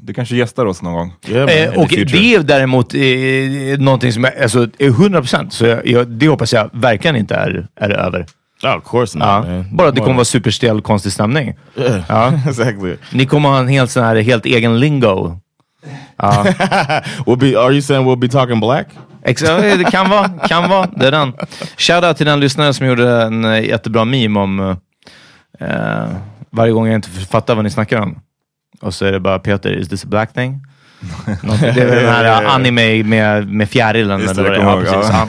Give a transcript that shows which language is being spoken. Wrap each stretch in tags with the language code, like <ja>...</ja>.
<sv>Du kanske gästar oss någon gång. Och det är däremot någonting som är... Alltså, 100%. Så det hoppas jag verkligen inte är över.</sv> <en>Oh, of course not, man.</en> <sv>Bara att det kommer vara superstel konstig stämning.</sv> <en>Yeah, ja, exactly.</en> <sv>Ni kommer ha en helt sån här helt egen lingo.</sv> <en>Are you saying we'll be talking black?</en> <sv>Det kan vara. Det är den. Shout out till den lyssnare som gjorde en jättebra meme om varje gång jag inte fattar vad ni snackar om. Och så är det bara Peter,</sv> <en>is this a black thing?</en> <sv>Det var den här anime med fjärilen. Just det, jag kommer ihåg.</sv>